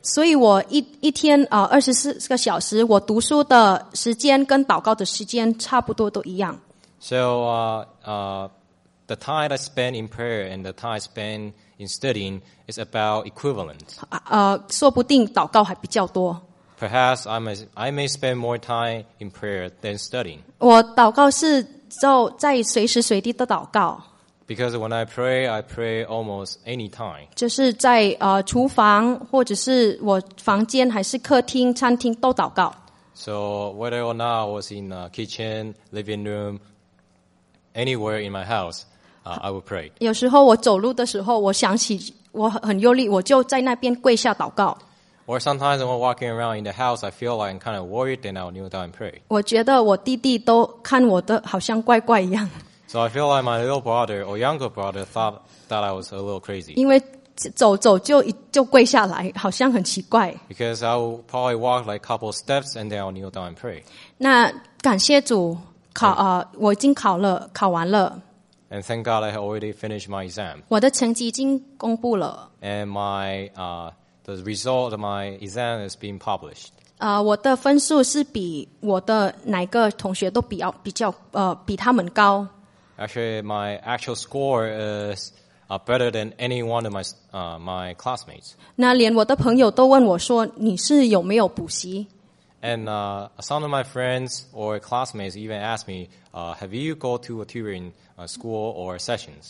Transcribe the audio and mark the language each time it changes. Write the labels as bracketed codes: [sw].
[zh] 所以我一天24个小时，我读书的时间跟祷告的时间差不多都一样。 [en] So The time I spend in prayer and the time I spend in studying is about equivalent. [zh] 说不定祷告还比较多。 [en] Perhaps I may spend more time in prayer than studying. [zh] 我祷告是就在随时随地的祷告。 [en] Because when I pray almost any time. [zh] 就是在厨房或者是我房间还是客厅、餐厅都祷告。 [en] So whether or not I was in the kitchen, living room,Anywhere in my house, I will pray. [zh] 有时候我走路的时候，我想起我很忧虑，我就在那边跪下祷告。 [en] Or sometimes when walking around in the house, I feel like I'm kind of worried, then I'll kneel down and pray. [zh] 我觉得我弟弟都看我的好像怪怪一样。 [en] So I feel like my little brother or younger brother thought that I was a little crazy. [zh] 因为走就跪下来，好像很奇怪。 [en] Because I will probably walk like a couple steps and then I'll kneel down and pray. [zh] 那感谢主。我已经考完了。 [en] And thank God I already finished my exam. [zh] 我的成绩已经公布了。 [en] And the result of my exam has been published. [zh] 我的分数是比我的哪个同学都比他们高。 [en] Actually, my actual score is better than any one of my classmates. [zh] 那连我的朋友都问我说，你是有没有补习？ [en] And some of my friends or classmates even asked me, have you go to a tutoring school or sessions?